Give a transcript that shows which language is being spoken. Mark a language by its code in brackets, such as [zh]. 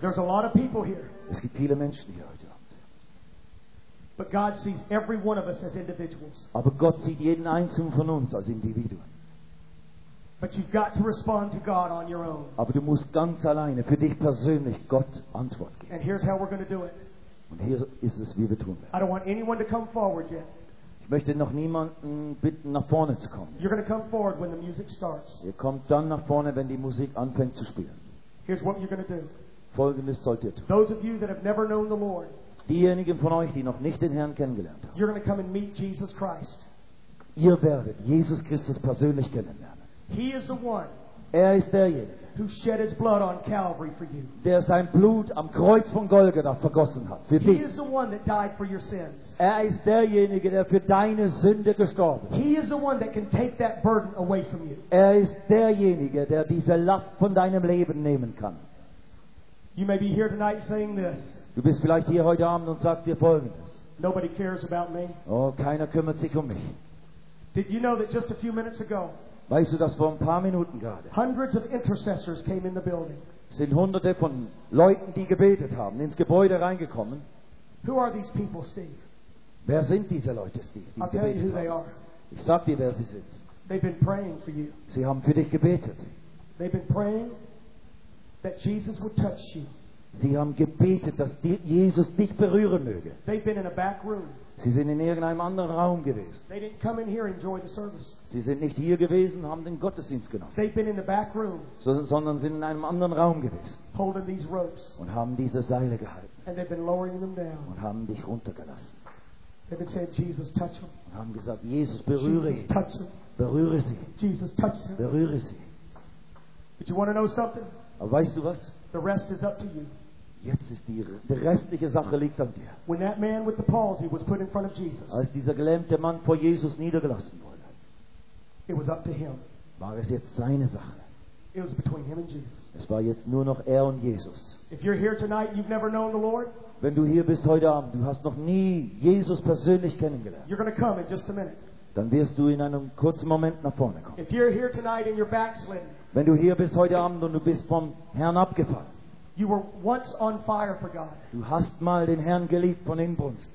[en] There's a lot of people here. [de] Es gibt viele Menschen hier heute Abend. [en] But God sees every one of us as individuals. [de] Aber Gott sieht jeden Einzelnen von uns als Individuen. [en] But you've got to respond to God on your own. [de] Aber du musst ganz alleine für dich persönlich Gott Antwort geben. [en] And here's how we're going to do it. [de] Und hier ist es, wie wir tun werden. [en] I don't want anyone to come forward yet. [de] Ich möchte noch niemanden bitten, nach vorne zu kommen. [en] You're going to come forward when the music starts. [de] Ihr kommt dann nach vorne, wenn die Musik anfängt zu spielen. [en] Here's what you're going to do. [de] Folgendes sollt ihr tun. [en] Those of you that have never known the Lord. [de] Diejenigen von euch, die noch nicht den Herrn kennengelernt haben. [en] You're going to come and meet Jesus Christ. [de] Ihr werdet Jesus Christus persönlich kennenlernen. [en] He is the one. [de] Er ist derjenige, [en] who shed his blood on Calvary for you. [de] Der sein Blut am Kreuz von Golgatha vergossen hat für dich. [en] He is the one that died for your sins. [de] Er ist derjenige, der für deine Sünde gestorben ist. [en] He is the one that can take that burden away from you. [de] Er ist derjenige, der diese Last von deinem Leben nehmen kann. [en] You may be here tonight saying this. [de] Du bist vielleicht hier heute Abend und sagst dir Folgendes. [en] Nobody cares about me. [de] Oh, keiner kümmert sich um mich. [en] Did you know that just a few minutes ago? [de] Weißt du, dass vor ein paar Minuten gerade [en] hundreds of intercessors came in the building. [de] Sind hunderte von Leuten, die gebetet haben, ins Gebäude reingekommen. [en] Who are these people, Steve? [de] Wer sind diese Leute, Steve? [en] I'll tell you who they are. [de] Ich sag dir, wer sie sind. [en] They've been praying for you. [de] Sie haben für dich gebetet. [en] They've been praying that Jesus would touch you. [de] Sie haben gebetet, dass Jesus dich berühren möge. [en] They've been in a back room. [de] Sie sind in irgendeinem anderen Raum gewesen. [en] They didn't come in here and enjoy the service. [de] Sie sind nicht hier gewesen, haben den Gottesdienst genossen. [en] They've been in the back room. [de] Sondern sind in einem anderen Raum gewesen. [en] Holding these ropes. [de] Und haben diese Seile gehalten. [en] And they've been lowering them down. [de] Und haben dich runtergelassen. [en] They've been saying, Jesus, touch them. [de] Und haben gesagt, Jesus, berühre [en] Jesus, touch them. [de] Berühre sie. [en] Jesus, touch them. [de] Berühre sie. [en] But you want to know something? [de] Aber weißt du was? [en] The rest is up to you. [de] Jetzt ist die restliche Sache liegt an dir. [en] When that man with the palsy was put in front of Jesus, [de] als dieser gelähmte Mann vor Jesus niedergelassen wurde, [en] it was up to him. [de] War es jetzt seine Sache. [en] It was between him and Jesus. [de] Es war jetzt nur noch er und Jesus. [en] If you're here tonight, you've never known the Lord, [de] wenn du hier bist heute Abend, du hast noch nie Jesus persönlich kennengelernt, [en] you're going to come in just a minute. [de] Dann wirst du in einem kurzen Moment nach vorne kommen. [en] If you're here tonight and you're backslidden, [de] wenn du hier bist heute Abend und du bist vom Herrn abgefallen, [en] you were once on fire for God. [de] Du hast mal den Herrn geliebt von Inbrunst.